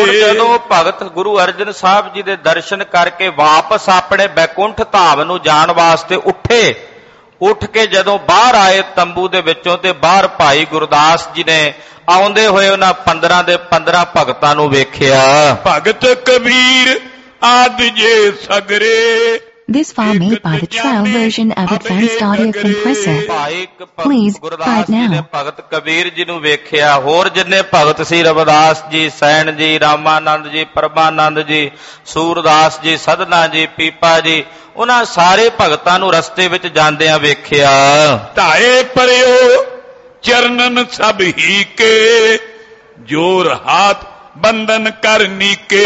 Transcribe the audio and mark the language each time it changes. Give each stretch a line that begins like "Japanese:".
Punjabi: ਜਦੋਂ ਭਗਤ ਗੁਰੂ ਅਰਜਨ ਸਾਹਿਬ ਜੀ ਦੇ ਦਰਸ਼ਨ ਕਰਕੇ ਵਾਪਸ ਆਪਣੇ ਬੈਕੁੰਠ ਧਾਮ ਨੂੰ ਜਾਣ ਵਾਸਤੇ ਉੱਠੇ, ਉੱਠ ਕੇ ਜਦੋਂ ਬਾਹਰ ਆਏ ਤੰਬੂ ਦੇ ਵਿੱਚੋਂ ਤੇ ਬਾਹਰ ਭਾਈ ਗੁਰਦਾਸ ਜੀ ਨੇ ਆਉਂਦੇ ਹੋਏ ਉਹਨਾਂ 15 ਦੇ 15 ਭਗਤਾਂ ਨੂੰ ਵੇਖਿਆ। ਭਗਤ ਕਬੀਰ ਆਦਿ ਜੇ ਸਗਰੇ।
English: This file may be the trial version of advanced audio compressor. Please, right now.
Punjabi: Bhagat Kabir ji ਨੂੰ ਵੇਖਿਆ, ਹੋਰ ਜਿੰਨੇ ਭਗਤ ਸੀ, ਰਵਿਦਾਸ ਜੀ, ਸੈਣ ਜੀ, ਰਾਮਾਨੰਦ ਜੀ, ਪਰਮਾਨੰਦ ਜੀ, ਸੂਰਦਾਸ ਜੀ, ਸਦਨਾ ਜੀ, ਪੀਪਾ ਜੀ, ਉਹਨਾਂ ਸਾਰੇ ਭਗਤਾਂ ਨੂੰ ਰਸਤੇ ਵਿੱਚ ਜਾਂਦਿਆਂ ਵੇਖਿਆ। ਧਾਏ ਪਰਿਓ ਚਰਨਨ ਸਭ ਹੀ ਕੇ ਜੋਰ ਹਾਥ ਬੰਧਨ ਕਰਨੀ ਕੇ।